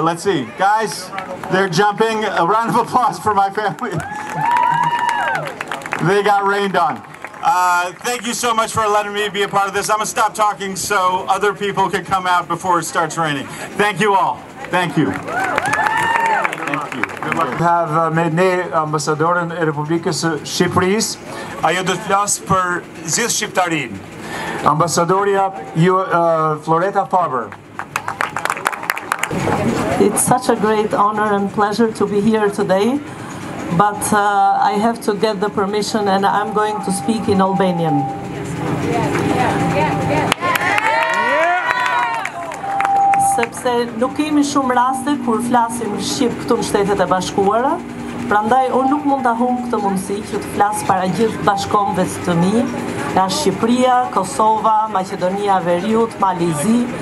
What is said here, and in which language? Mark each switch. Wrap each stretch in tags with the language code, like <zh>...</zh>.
<en>Let's see. Guys, they're jumping. A round of applause for my family. They got rained on. Thank you so much for letting me be a part of this. I'm going to stop talking so other people can come out before it starts raining. Thank you all. Thank you. Thank you. We have</en> <sq>me ne ambasadorin e Republikës së Shqipërisë. Ajo do të flas për gjithë shqiptarinë. Ambasadoria ju Floreta Faber.</sq> <en>It's such a great honor and pleasure to be here today. But I have to get the permission and I'm going to speak in Albanian.</en> <sq>sepse nuk kemi shumë raste kur flasim shqip këtu në Shtetet e Bashkuara. Prandaj unë nuk mund ta hum këtë mundësi që të flas para gjithë bashkëmve të mi, nga Shqipëria, Kosova, Maqedonia e Veriut, Mali i Zi.</sq>